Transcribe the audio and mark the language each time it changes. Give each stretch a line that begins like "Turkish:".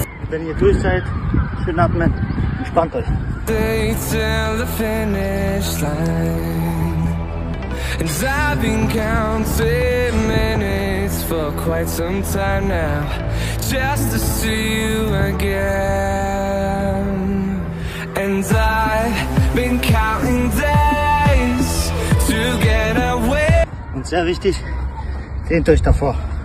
German: wenn ihr durch seid, schön atmen, entspannt euch.
English: Till the finish line. And I've been counting minutes for quite some time now, just to see you again. And I've been counting days to get away.
German: Und sehr wichtig, lehnt euch davor.